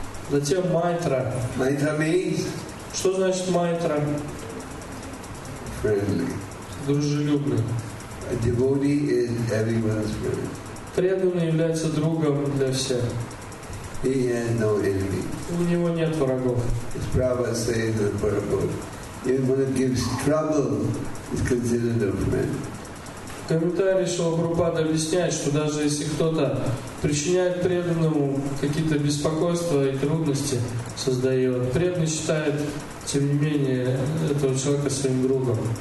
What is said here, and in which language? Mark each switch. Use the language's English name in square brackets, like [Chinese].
[Russian] Затем Майтра. [English] Майтра means. [Russian] Что значит Майтра? [English] Friendly. [Russian] Дружелюбный. [English] A devotee is everyone's friend. [Russian] Преданный является другом для всех. [English] He has no enemy. [Russian] У него нет врагов. [English] As Prabhupada says in Prabhupada, even when it gives trouble, it's considered a friend. [Russian] Комментарий Шрила Прабхупады объясняет, что даже если кто-то причиняет преданному какие-то беспокойства и трудности, создает, преданный считает, тем не менее, этого человека своим другом.